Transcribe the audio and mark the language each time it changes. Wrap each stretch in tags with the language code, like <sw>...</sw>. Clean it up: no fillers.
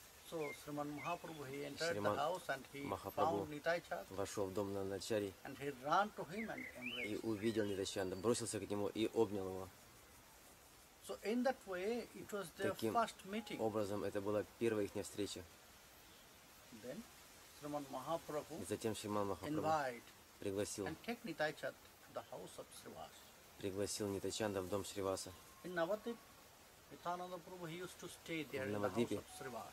<en>So, Sriman Mahaprabhu, he entered Shriman the house and he Mahaprabhu found Nitaichand.</en> <ru>Вошел в дом Нанданачарьи.</ru> <en>And he ran to him and embraced.</en> <ru>И увидел Нитайчанда, бросился к нему и обнял его.</ru> <en>So in that way, it was their</en> <ru>таким</ru> <en>first meeting.</en> <ru>Образом, это была первая их встреча.</ru> <en>Then, Sriman Mahaprabhu,</en> <ru>и затем Шриман Махапрабху</ru> <en>invite,</en> <ru>пригласил</ru> <en>and take Nitaichand to the house of Shrivas.</en> <ru>Пригласил Нитайчанда в дом Шриваса.</ru> <en>In Navadvip, Nityananda Prabhu he used to stay there in the house of Shrivas.</en>